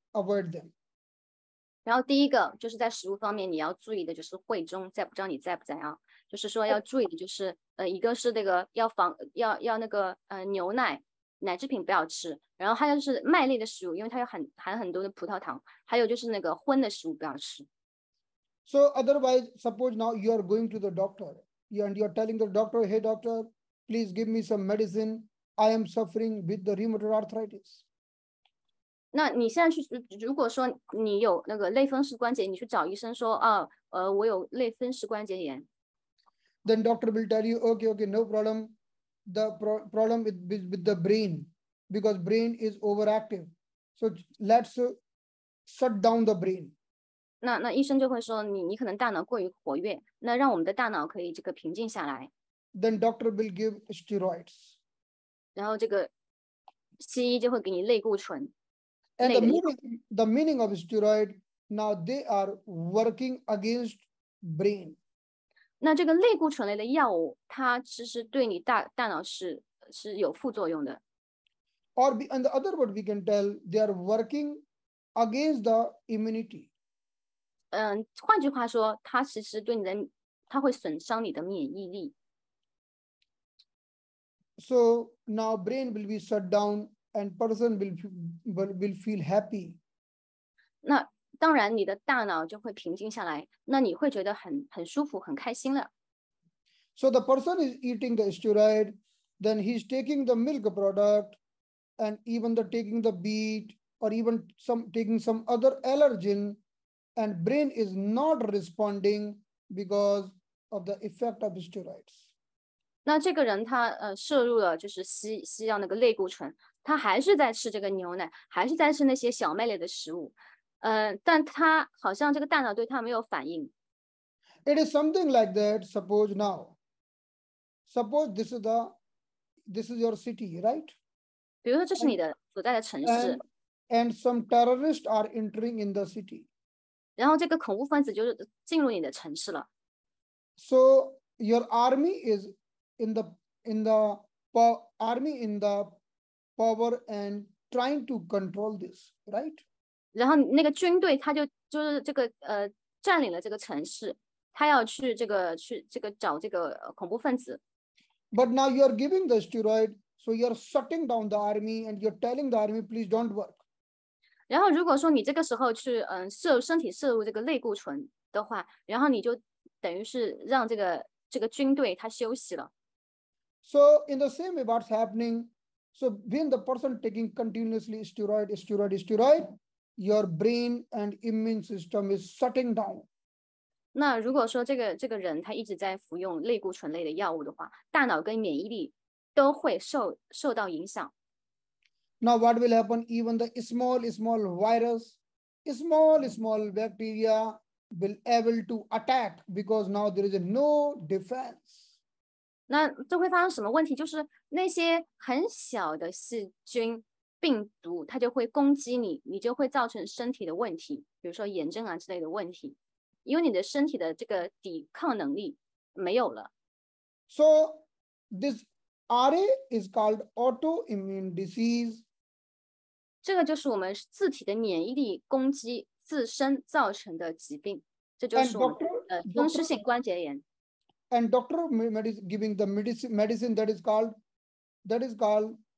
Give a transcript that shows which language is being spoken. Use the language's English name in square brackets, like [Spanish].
[English] Avoid them. [Chinese] 然后第一个就是在食物方面你要注意的就是会中在不知道你在不在啊，就是说要注意的就是一个是那个要防要那个牛奶。奶制品不要吃，然后还有就是麦类的食物，因为它有含很多的葡萄糖，还有就是那个荤的食物不要吃。 [English] So otherwise, suppose now you are going to the doctor, and you are telling the doctor, "Hey doctor, please give me some medicine. I am suffering with the rheumatoid arthritis." [Chinese] 那你现在去，如果说你有那个类风湿关节，你去找医生说啊，我有类风湿关节炎。 [English] Then doctor will tell you, okay, no problem. The problem is with the brain, because brain is overactive. So let's shut down the brain. [Chinese] 那医生就会说你可能大脑过于活跃，那让我们的大脑可以这个平静下来。 [English] Then doctor will give steroids. [Chinese] 然后这个西医就会给你类固醇。 [English] And the meaning of steroid, now they are working against brain. [Chinese] 那这个类固醇类的药物，它其实对你大脑是有副作用的。 [English] Or and the other word we can tell, they are working against the immunity. [Chinese] 换句话说，它其实对你的，它会损伤你的免疫力。 [English] So now brain will be shut down, and person will feel happy. [Chinese] 那当然，你的大脑就会平静下来，那你会觉得很舒服，很开心了。 [English] So the person is eating the steroid, then he's taking the milk product, and even the taking the beet, or even taking some other allergen, and brain is not responding because of the effect of steroids. [Chinese] 那这个人他摄入了就是西药那个类固醇，他还是在吃这个牛奶，还是在吃那些小麦类的食物。但他好像这个大脑对他没有反应。 [English] It is something like that. Suppose this is your city, right? [Chinese] 比如说这是你的所在的城市。 [English] And some terrorists are entering in the city. [Chinese] 然后这个恐怖分子就是进入你的城市了。 [English] So your army is in the power and trying to control this, right? [Chinese] 然后那个军队他就是这个占领了这个城市，他要去找这个恐怖分子。 [English] But now you are giving the steroid, so you are shutting down the army and you are telling the army please don't work. [Chinese] 然后如果说你这个时候去身体摄入这个类固醇的话，然后你就等于是让这个军队他休息了。 [English] So in the same way, what's happening? So when the person taking continuously steroid. Your brain and immune system is shutting down. [Chinese] 那如果说这个人他一直在服用类固醇类的药物的话，大脑跟免疫力都会受到影响。 [English] Now what will happen? Even the small virus, small bacteria will able to attack because now there is no defense. [Chinese] 那这会发生什么问题？就是那些很小的细菌。病毒它就会攻击你，你就会造成身体的问题，比如说炎症啊之类的问题，因为你的身体的这个抵抗能力没有了。 [English] So this RA is called autoimmune disease. [Chinese] 这个就是我们自体的免疫力攻击自身造成的疾病，这就是我们的风湿性关节炎。 [English] And doctor is giving the medicine that is called.